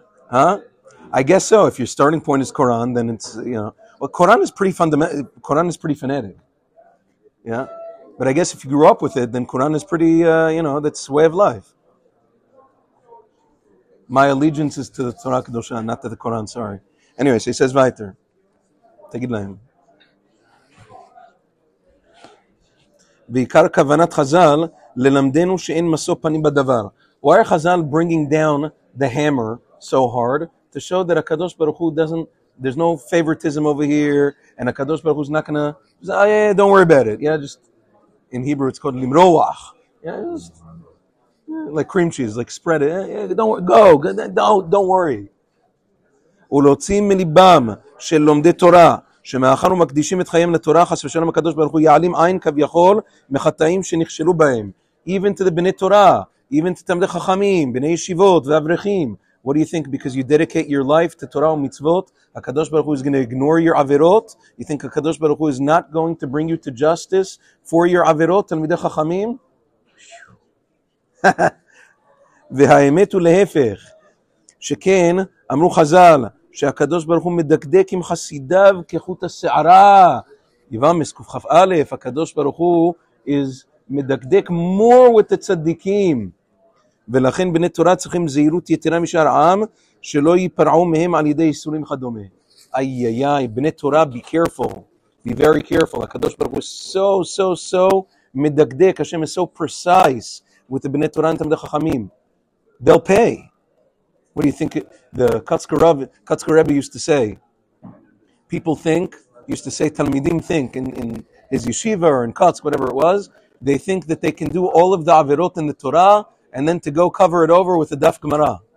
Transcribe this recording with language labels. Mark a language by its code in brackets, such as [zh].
[en] Huh? I guess so. If your starting point is Quran, then it's, Quran is pretty fundamental. Quran is pretty fanatic. Yeah? But I guess if you grew up with it, then Quran is pretty, that's way of life. My allegiance is to the Torah Kedoshah, not to the Quran, sorry. Anyway, so he says, Vayter. [he] תגיד להם. בעיקר כוונת חזל ללמדנו שאין משוא פנים בדבר. [en] Why are חזל bringing down the hammer so hard? To show that הקדוש ברוך הוא doesn't, there's no favoritism over here, and הקדוש ברוך הוא is not gonna, oh, yeah, don't worry about it. Yeah, just, in Hebrew it's called limroach. Yeah, just, like cream cheese, like spread it. Yeah, don't worry, go, don't worry. [he] ולהוציא מליבם של לומדי תורה, שמאחרנו מקדישים את חיים לתורה, חס ושלום הקדוש ברוך הוא יעלים עין כביכול מחטאים שנכשלו בהם. [en] Even to the בני תורה, even to תלמידי חכמים, בני ישיבות ואברכים. What do you think? Because you dedicate your life to Torah ומצוות, הקדוש ברוך הוא is going to ignore your עבירות? You think הקדוש ברוך הוא is not going to bring you to justice for your עבירות, תלמידי חכמים? [he] והאמת הוא להפך, שכן אמרו חז"ל, שהקדוש ברוך הוא מדקדק עם חסידיו כחוט השערה. יבמס קכף א', הקדוש ברוך הוא is מדקדק [en] more with the [he] צדיקים. ולכן בני תורה צריכים זהירות יתרה משאר העם, שלא ייפרעו מהם על ידי איסורים וכדומה. [en] איי איי איי, בני תורה, be careful. Be very careful. [he] הקדוש ברוך הוא so מדקדק, השם [en] is so precise with the [he] בני תורה and תלמידי חכמים. [en] They'll pay. What do you think the Kutzker Rebbe used to say? People think, used to say, Talmidim think, in his yeshiva or in Kutz, whatever it was, they think that they can do all of the Averot in the Torah and then to go cover it over with the Daf Gemara.